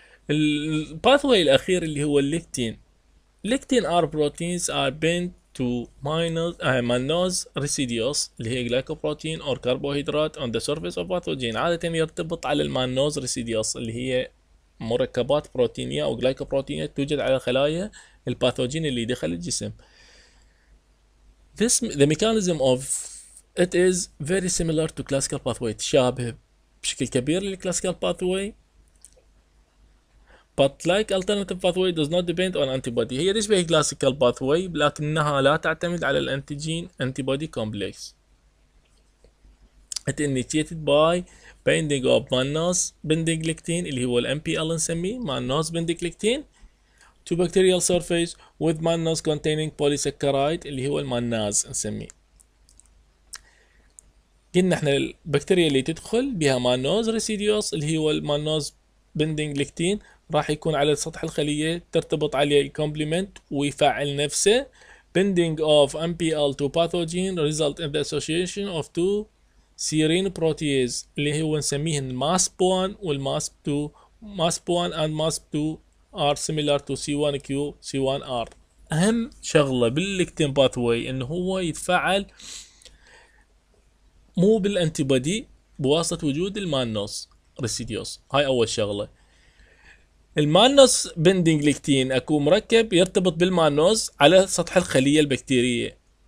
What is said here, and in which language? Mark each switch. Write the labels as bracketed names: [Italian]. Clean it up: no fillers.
[Arabic] الباثوي الاخير اللي هو الليكتين. الليكتين [English] are proteins are been to mannose mannose residues [Arabic] اللي هي جلايكوبروتين [English] or carbohydrate on the surface of pathogen, [Arabic] عادة يرتبط على المانوز ريسيديوس اللي هي مركبات بروتينية او جلايكوبروتينية توجد على خلايا الباثوجين اللي دخل الجسم. [English] This the mechanism of it is very similar to classical pathway، [Arabic] تشابه بشكل كبير للكلاسيكال باثوي. [English] But like alternative pathway does not depend on antibody. [Arabic] هي تشبه classical pathway لكنها لا تعتمد على الانتيجين antibody complex. [English] It initiated by binding of mannose binding lectin [Arabic] اللي هو ال [English] MPL نسميه mannose binding lectin to bacterial surface with mannose containing polysaccharide [Arabic] اللي هو المناز نسميه. قلنا احنا البكتيريا اللي تدخل بها مانوز ريسيديوس اللي هو المانوز بندنج ليكتين راح يكون على سطح الخلية ترتبط عليه الكومبلمنت ويفعل نفسه. [English] Binding of MPL2 pathogen result in the association of two serine protease [Arabic] اللي هو نسميه الماسب 1 والماسب 2. [English] MASP 1 and MASP 2 are similar to C1Q C1R. [Arabic] اهم شغلة بالليكتين باثوي انه هو يتفعل مو بالانتيبادي بواسطة وجود المانوس ريسيديوس. هاي اول شغلة. المانوس بندنج ليكتين اكو مركب يرتبط بالمانوس على سطح الخلية البكتيرية.